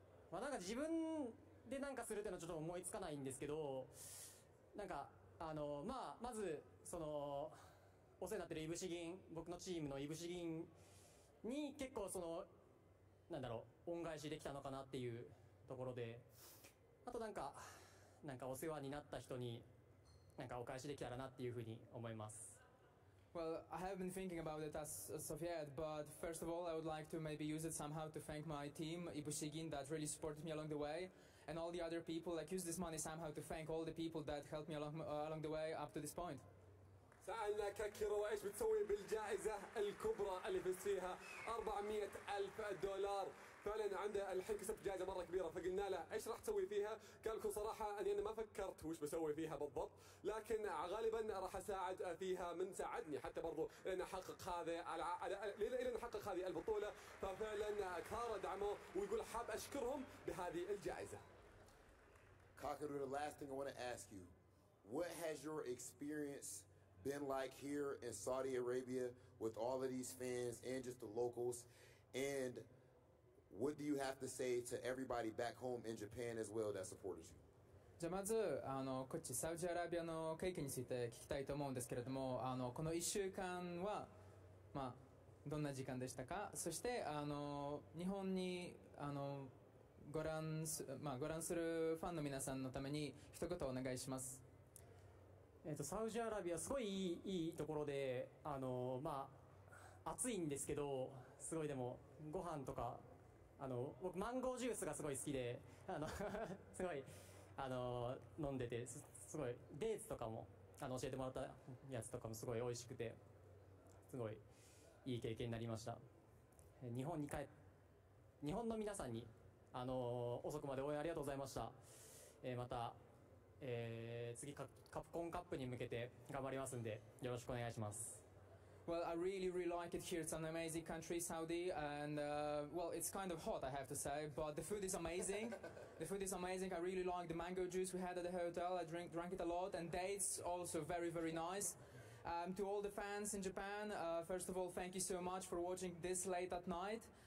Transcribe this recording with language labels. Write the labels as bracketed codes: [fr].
[ja] まあ、なんか自分で何かするっていうのはちょっと思いつかないんですけどなんかあの、まあ、まずそのお世話になってるイブシギン僕のチームのイブシギンに結構そのなんだろう恩返しできたのかなっていうところであとなんかお世話になった人になんかお返しできたらなっていうふうに思います。 [en] Well, I have been thinking about it as of yet, but first of all, I would like to maybe use it somehow to thank my team, Ibushigin, that really supported me along the way, and all the other people, like, use this money somehow to thank all the people that helped me along the way up to this point. [ar] سألناك كيرو إيش بتسوي بالجائزة الكبرى اللي فزتيها 400,000 دولار فعلا عنده الحين كسبت جائزة مرة كبيرة فقلنا له إيش راح تسوي فيها قال لكم صراحة أني أنا ما فكرت وش بسوي فيها بالضبط لكن غالبا راح أساعد فيها من ساعدني حتى برضو لأن أحقق هذه البطولة ففعلا كارا دعمه ويقول حاب أشكرهم بهذه الجائزة [en] Kakeru the last thing I want to ask you what has your experience been like here in Saudi Arabia with all of these fans and just the locals and what do you have to say to everybody back home in Japan as well that supported you? [ja] じゃあまずあのこっちサウジアラビアの経験について聞きたいと思うんですけれどもあのこの1週間はまあどんな時間でしたかそしてあの日本にあのご覧するファンの皆さんのために一言お願いしますサウジアラビアすごいいいところで、まあ、暑いんですけどすごいでもご飯とかあの僕マンゴージュースがすごい好きであのすごい飲んでて すごいデーツとかもあの教えてもらったやつとかもすごい美味しくてすごいいい経験になりました日本の皆さんに、遅くまで応援ありがとうございました、また次カプコンカップに向けて頑張りますんでよろしくお願いします [en] Well, I really, really like it here. It's an amazing country, Saudi, and well, it's kind of hot, I have to say, but the food is amazing. The food is amazing. I really like the mango juice we had at the hotel. I drank it a lot, and dates also very, very nice. To all the fans in Japan, first of all, thank you so much for watching this late at night.